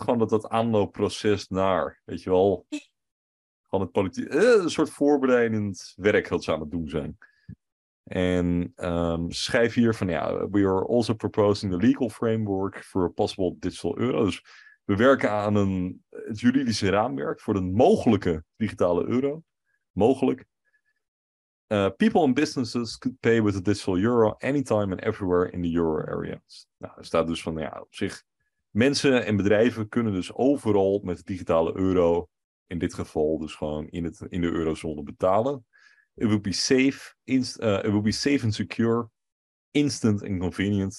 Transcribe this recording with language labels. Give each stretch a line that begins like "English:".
Dutch: Gewoon dat aanloopproces naar, weet je wel, van het politiek, een soort voorbereidend werk dat ze aan het doen zijn. En schrijf hier van, ja,
English: we are also proposing the legal framework for a possible digital euro.
Dutch: Dus, we werken aan het juridische raamwerk voor een mogelijke digitale euro. Mogelijk.
English: People and businesses could pay with a digital euro anytime and everywhere in the euro area.
Dutch: Nou, er staat dus van, ja, op zich. Mensen en bedrijven kunnen dus overal met de digitale euro, in dit geval dus gewoon in de eurozone betalen.
English: It will be safe and secure, instant and convenient.